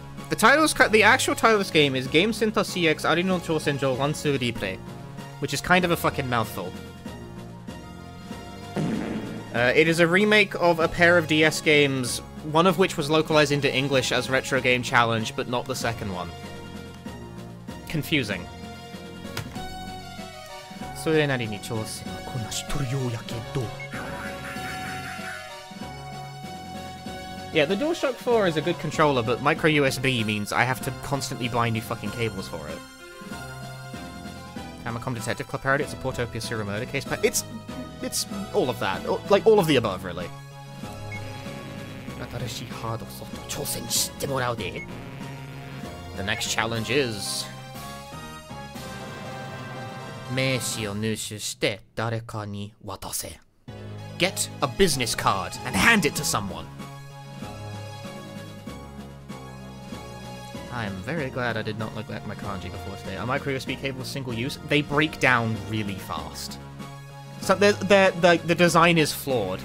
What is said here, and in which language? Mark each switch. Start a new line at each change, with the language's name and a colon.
English: The actual title of this game is Game Center CX Arino Chosenjo Wansu Replay, which is kind of a fucking mouthful. It is a remake of a pair of DS games, one of which was localized into English as Retro Game Challenge, but not the second one. Confusing.
Japanese: それなりに調子がこなしとるようやけど。
English: Yeah, the DualShock 4 is a good controller, but micro USB means I have to constantly buy new fucking cables for it. Famicom Detective Club Parody, it's a Portopia Serial Murder case, but it's all of that. Like, all of the above, really.
Japanese: 新しいハードソフト挑戦してもらうで。
English: The next challenge is...
Japanese: 名刺を入手して誰かに渡せ。
English: Get a business card and hand it to someone. I am very glad I did not neglect my kanji before today. Are micro USB cables single use? They break down really fast. So the design is flawed.